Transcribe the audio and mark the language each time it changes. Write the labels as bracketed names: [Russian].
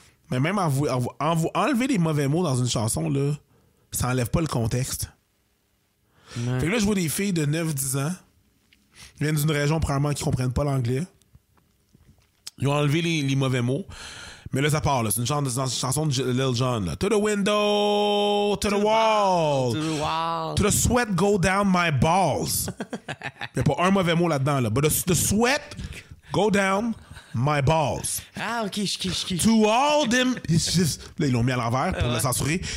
[French] Mais même en vous enlever les mauvais mots dans une chanson là, ça enlève pas le contexte. Non. Fait que là, je vois des filles de 9-10 ans, viennent d'une région probablement qui comprennent pas l'anglais. Ils ont enlevé les mauvais mots. Mais là, ça part. Là. C'est une chanson de chanson de Lil Jon. [English] To the window, to the wall. To the sweat go down my balls. [French] Il n'y a pas un mauvais mot là-dedans. [English] Là. But the sweat go down my balls. [French] Ah, ok, je kiffe. [English] To all them. [French] Just, là, ils l'ont mis à l'envers pour le censurer.